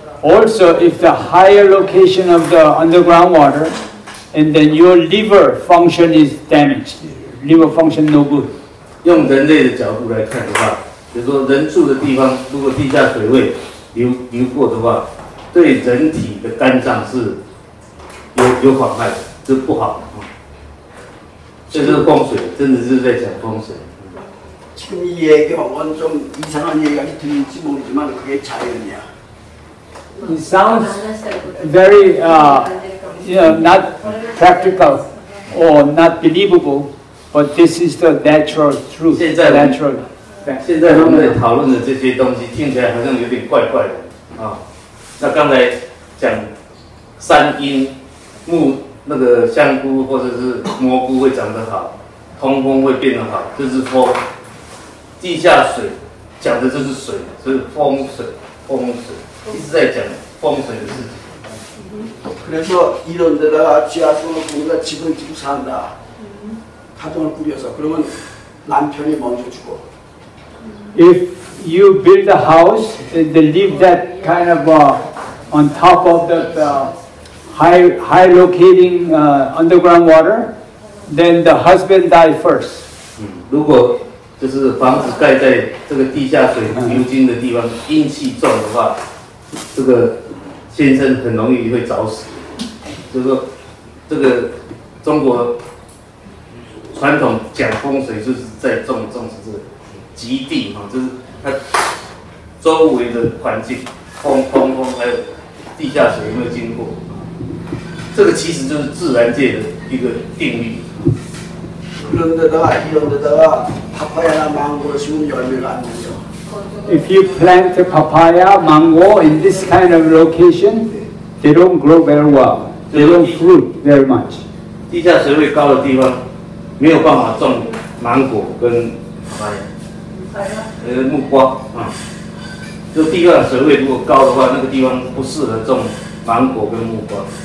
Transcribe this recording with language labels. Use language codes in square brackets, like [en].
[en] Also, if the higher location of the underground water, and then your liver function is damaged. Liver function no good. [zh] 用人类的角度来看的话，比如说人住的地方，如果地下水位流过的话，对人体的肝脏是有妨害，是不好的。这是风水，真的是在讲风水。 [ko] 지금이얘기는좀이상한얘기가들릴지모르지만그게자연이야 [en] It sounds very not practical or not believable, but this is the natural truth. [zh] 现在natural. 现在他们在讨论的这些东西听起来好像有点怪怪的那刚才讲山阴木那个香菇或者是蘑菇会长得好，通风会变得好，就是风。地下水讲的就是水，是风水，风水一直在讲风水的事情。 [ko] 그래서이런데다가지하수가높으니까집은집을산다가정을꾸려서그러면남편이먼저죽어 [en] If you build a house, they leave that kind of on top of the high locating underground water, then the husband die first. [zh] 如果就是房子盖在这个地下水流经的地方，阴气重的话，这个先生很容易会早死。就是说，这个中国传统讲风水，就是在重视这个吉地就是它周围的环境，风还有地下水有没有经过，这个其实就是自然界的一个定律。 [en] If you plant a papaya, mango in this kind of location, they don't grow very well. They don't fruit very much. [zh] 地下水位高的地方没有办法种芒果跟 papaya， 木瓜就地下水位如果高的话，那个地方不适合种芒果跟木瓜。